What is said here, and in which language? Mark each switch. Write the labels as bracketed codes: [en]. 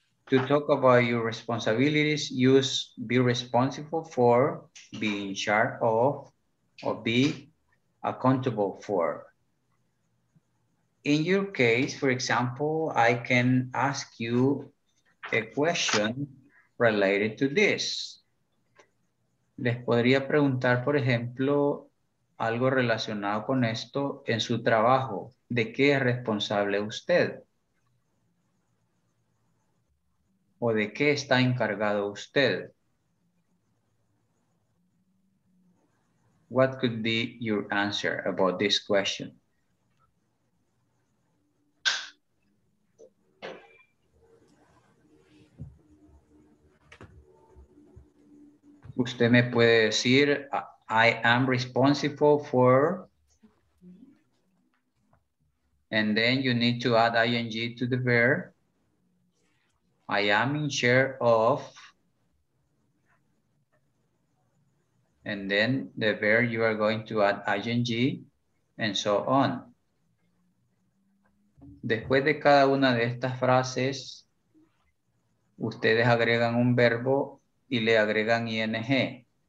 [en] To talk about your responsibilities, use be responsible for, be in charge of, or be accountable for. In your case, for example, I can ask you a question related to this. [es] les podría preguntar, por ejemplo, algo relacionado con esto en su trabajo. ¿De qué es responsable usted? ¿O de qué está encargado usted? [en] What could be your answer about this question? [es] Usted me puede decir, [en] I am responsible for, and then you need to add ing to the verb. I am in charge of, and then the verb you are going to add ing, and so on. [es] Después de cada una de estas frases, ustedes agregan un verbo y le agregan ing.